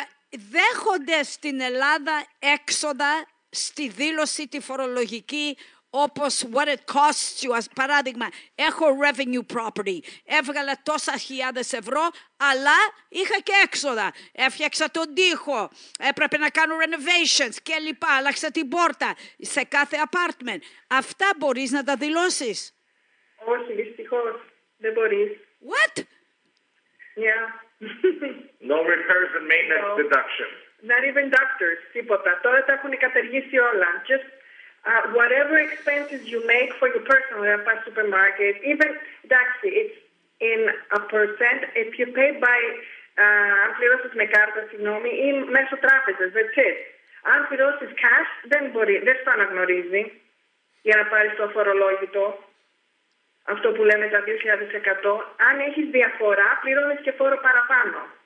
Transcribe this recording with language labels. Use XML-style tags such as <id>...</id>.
<el>Δέχονται στην Ελλάδα έξοδα στη δήλωση τη φορολογική, όπως what it costs you, ας παράδειγμα, έχω revenue property, έβγαλα τόσα χιλιάδες ευρώ, αλλά είχα και έξοδα, έφτιαξα τον τοίχο, έπρεπε να κάνω renovations και λοιπά, άλλαξα την πόρτα σε κάθε apartment. Αυτά μπορείς να τα δηλώσεις? Όχι, δυστυχώς, δεν μπορείς.</el> <en>What? Yeah. No repairs and maintenance deduction. Not even doctors, τίποτα.</en> <el>Τώρα τα έχουν καταργήσει όλα.</el> <en>Just whatever expenses you make for your personal, at a supermarket, even taxi, it's in a percent.</en> <el>If you pay by, αν πληρώσεις με κάρτα, συγγνώμη, ή μέσω τράπεζας, that's it. Αν πληρώσεις cash, δεν μπορεί, δεν σου αναγνωρίζει για να πάρεις το αφορολόγητο. Αυτό που λέμε τα 2.000%. Αν έχεις διαφορά, πληρώνεις και φόρο παραπάνω.</el>